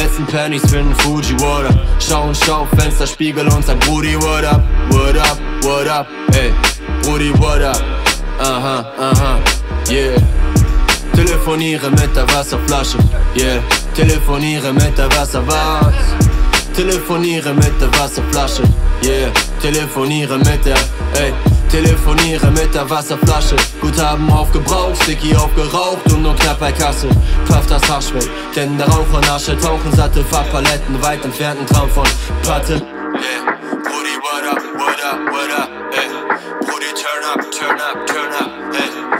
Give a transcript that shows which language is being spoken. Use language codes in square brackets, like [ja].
[de] Pennies für den Fuji, [en] what up? [de] Schau und schau, Fenster, Spiegel und sag Brudi, what up? [en] What up, what up, ey, Brudi, what up? Aha, aha, yeah. [de] Telefoniere mit der Wasserflasche, yeah. Telefoniere mit der Wasserwas. Telefoniere mit der Wasserflasche, yeah. Telefoniere mit der, ey. Telefoniere mit der Wasserflasche. Guthaben aufgebraucht, Sticky aufgeraucht und nur knapp bei Kasse. Pfeift das Hasch weg, denn der Rauch und Asche tauchen satte Farbpaletten, weit entfernten Traum von Patte. [en] Yeah, Brudi, what up, what up, what up, ey. Brudi, turn up, turn up, turn up, ey.